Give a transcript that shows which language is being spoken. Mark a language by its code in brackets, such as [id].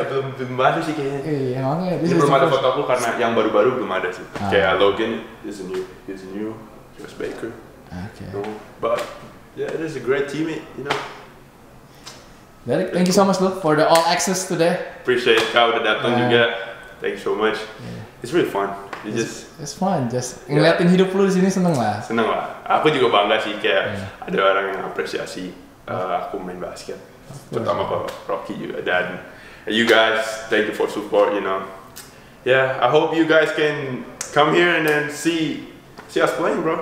[id] Ada belum ada sih kayaknya. Iya, emangnya. Ini belum ada fotoku karena yang baru-baru belum ada sih. [en] Ah. Kayak Logan is a new. He's a new. He was Baker. Okay. No, but yeah, it is a great teammate, you know. Derrick, thank you so much, Luke, for the all access today. Appreciate it, kau udah datang juga. Thank you so much. Yeah. It's really fun. [id] It's fun. Just ngeliatin yeah. Hidup lu di sini seneng lah. Seneng lah. Aku juga bangga sih kayak ada orang yang apresiasi aku main basket. [en] Terutama ke Rocky juga dan you guys, thank you for support. You know, yeah. I hope you guys can come here and then see us playing, bro.